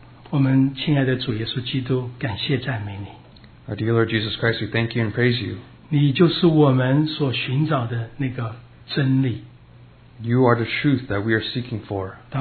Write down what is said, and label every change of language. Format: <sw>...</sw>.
<zh>我们亲爱的主耶稣基督，感谢赞美你。</zh> <en>Our dear Lord Jesus Christ, we thank you and praise you.</en> <zh>你就是我们所寻找的那个真理。</zh> <en>You are the truth that we are seeking for.</en>